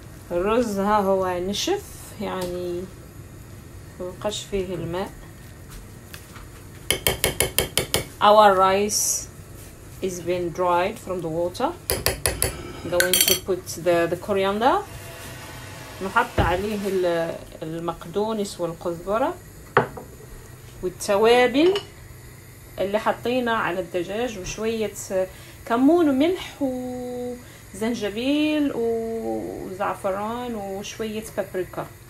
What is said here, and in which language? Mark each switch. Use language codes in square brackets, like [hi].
[ar] الرز ها هو نشف يعني مبقاش فيه الماء. [en] Our rice is been dried from the water. I'm going to put the coriander. [ar] نحط عليه المقدونس والقزبرة والتوابل اللي حطينا على الدجاج وشوية كمون وملح وزنجبيل وزعفران وشوية بابريكا.